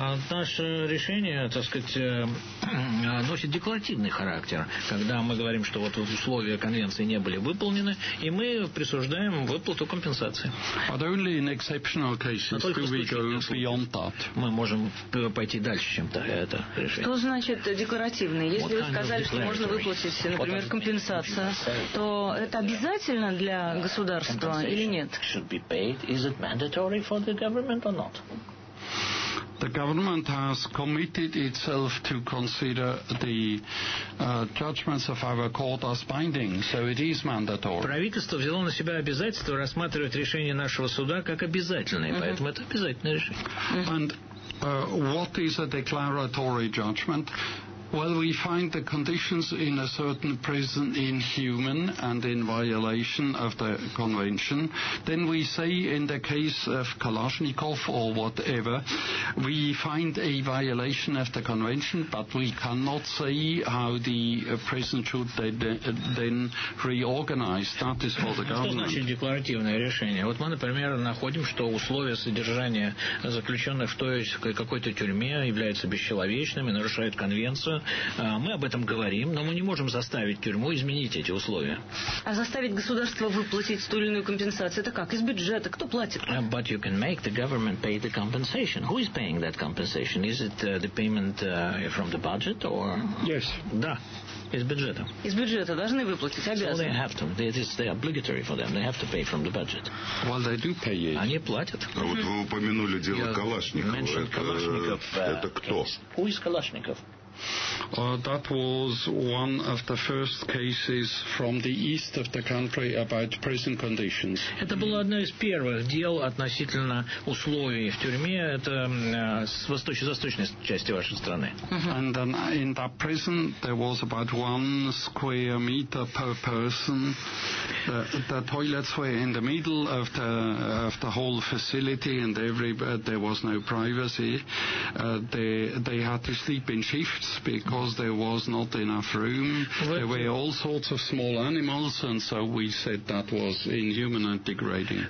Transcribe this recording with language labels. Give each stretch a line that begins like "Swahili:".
Russian: Наше решение, так сказать, носит декларативный характер, когда мы говорим, что вот условия конвенции не были выполнены, и мы присуждаем выплату компенсации.
English: But only in exceptional cases do we go beyond that.
Russian: Мы можем пойти дальше, чем это решение. Что значит декларативный? Если вы сказали, что можно выплатить, например, компенсацию, то это обязательно для государства или нет?
English: Should be paid. Is it mandatory for the government or not? The government has committed itself to consider the judgments of our court as binding, so it is mandatory.
Russian: Правительство взяло на себя обязательство рассматривать решение нашего суда как обязательное, поэтому это обязательное решение.
English: And what is a declaratory judgment? Well, we find the conditions in a certain prison inhuman and in violation of the convention. Then we say in the case of Kalashnikov or whatever, we find a violation of the convention, but we cannot say how the prison should then reorganize. That is for the government.
Russian: Что значит декларативное решение? Вот мы, например, находим, что условия содержания заключенных в той какой-то тюрьме являются бесчеловечными, нарушают конвенцию. Мы об этом говорим, но мы не можем заставить тюрьму изменить эти условия. А заставить государство выплатить ту или иную компенсацию, это как? Из бюджета? Кто платит?
English: But you can make the government pay the compensation. Who is paying that compensation? Is it the payment from the budget or... Yes.
Russian: Да. Из бюджета. Из бюджета должны выплатить, обязаны.
English: So they have to. It is obligatory for them. They have to pay from the budget. Well, they do pay it.
Russian: Они платят. А вот вы упомянули дело Калашникова. Это кто?
English: Who is Калашников? That was one of the first cases from the east of the country about prison conditions.
Russian: Это было одно из первых дел относительно условий в тюрьме. Это с восточно-восточной части вашей страны.
English: And then in that prison there was about 1 square meter per person. The toilets were in the middle of the whole facility, and there was no privacy. They had to sleep in shifts. Because there was not enough room, there were all sorts of small animals, and so we said that was inhuman and degrading.